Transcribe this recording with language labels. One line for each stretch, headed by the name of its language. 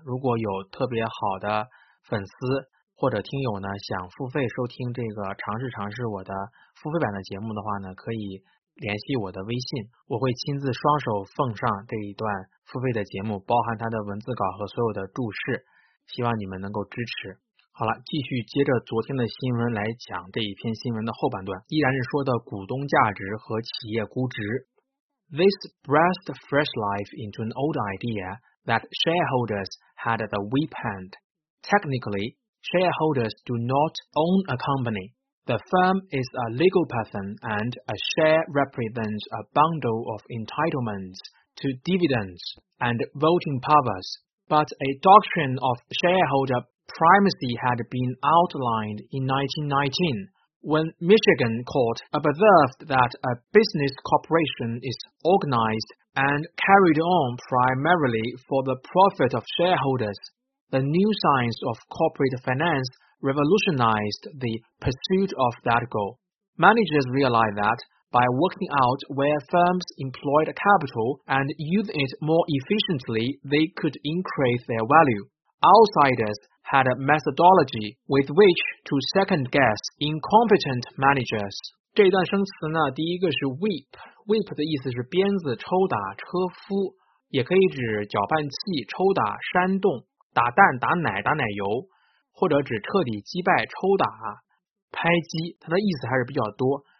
Chinese: 如果有特别好的粉丝或者听友呢，想付费收听这个尝试我的付费版的节目的话呢，可以联系我的微信，我会亲自双手奉上这一段付费的节目，包含它的文字稿和所有的注释，希望你们能够支持。好了，继续接着昨天的新闻来讲这一篇新闻的后半段，依然是说的股东价值和企业估值。
English: This breathed fresh life into an old idea that shareholders had the whip hand. Technically, shareholders do not own a company. The firm is a legal person and a share represents a bundle of entitlements to dividends and voting powers. But a doctrine of shareholder primacy had been outlined in 1919 when Michigan court observed that a business corporation is organized and carried on primarily for the profit of shareholders. The new science of corporate finance revolutionized the pursuit of that goal. Managers realized that by working out where firms employed capital and use it more efficiently, they could increase their value. Outsiders had a methodology with which to second guess incompetent managers.
Chinese: 这段生词呢，第一个是 whip， whip 的意思是鞭子、抽打、车夫，也可以指搅拌器、抽打、煽动、打蛋、打奶、打奶油，或者指彻底击败、抽打、拍击，它的意思还是比较多。